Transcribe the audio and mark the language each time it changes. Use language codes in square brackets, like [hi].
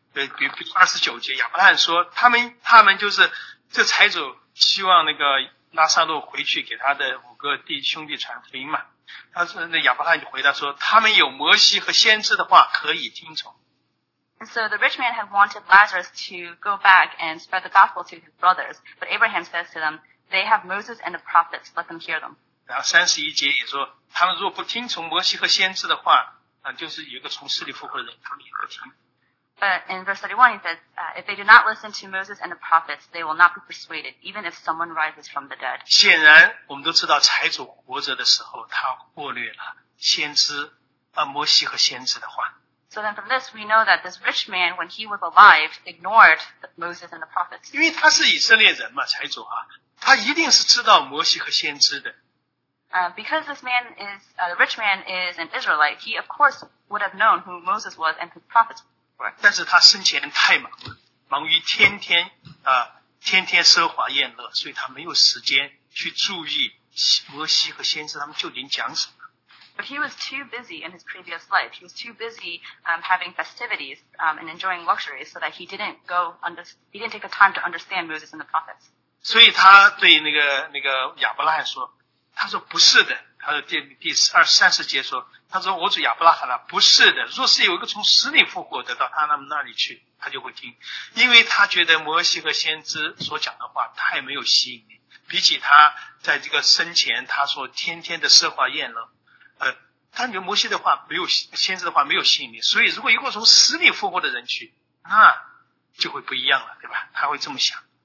[zh] 对，比如29节亚伯拉罕说他们就是这财主希望那个拉撒路回去给他的五个弟兄弟传福音嘛。他说那亚伯拉罕就回答说他们有摩西和先知的话可以听从。 [en] And so the rich man had wanted Lazarus to go back and spread the gospel to his brothers, but Abraham says to them, they have Moses and the prophets, let them hear them. [zh] 然后31节也说他们若不听从摩西和先知的话就是有一个从死里复活的人他们也不听。 [en] But in verse 31 he says, if they do not listen to Moses and the prophets, they will not be persuaded, even if someone rises from the dead. [zh] 显然我们都知道财主活着的时候他过滤了先知摩西和先知的话。 [en] So then from this we know that this rich man, when he was alive, ignored Moses and the prophets. [zh] 因为他是以色列人嘛财主啊他一定是知道摩西和先知的。 [en] Because this man is, the rich man is an Israelite, he of course would have known who Moses was and his prophets were. [zh] 但是他生前太忙了，忙于天天奢华宴乐，所以他没有时间去注意摩西和先知他们究竟讲什么。 [en] But he was too busy in his previous life. He was too busy having festivities and enjoying luxuries, so that he didn't take the time to understand Moses and the prophets. [zh] 所以他对那个亚伯拉罕说，他说不是的，他说第二十三节说。他说我主亚伯拉罕不是的若是有一个从死里复活的到他们那里去他就会听因为他觉得摩西和先知所讲的话太没有吸引力比起他在这个生前他说天天的奢华宴乐他觉得摩西的话没有先知的话没有吸引力所以如果一个从死里复活的人去那就会不一样了对吧他会这么想